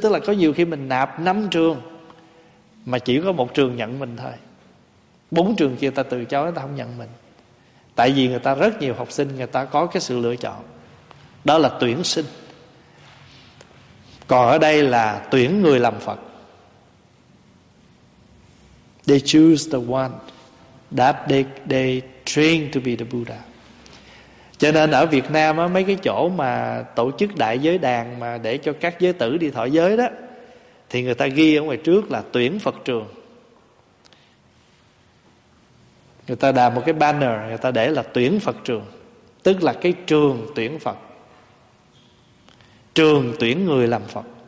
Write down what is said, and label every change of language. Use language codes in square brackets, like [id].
[vi] Tức là có nhiều khi mình nạp 5 trường mà chỉ có một trường nhận mình thôi, 4 trường kia ta từ chối, ta không nhận mình. Tại vì người ta rất nhiều học sinh, người ta có cái sự lựa chọn. Đó là tuyển sinh. Còn ở đây là tuyển người làm Phật. [en] They choose the one that they train to be the Buddha. [vi] Cho nên ở Việt Nam á, mấy cái chỗ mà tổ chức đại giới đàn mà để cho các giới tử đi thọ giới đó, thì người ta ghi ở ngoài trước là tuyển Phật trường. Người ta đàm một cái banner, người ta để là tuyển Phật trường, tức là cái trường tuyển Phật, trường tuyển người làm Phật.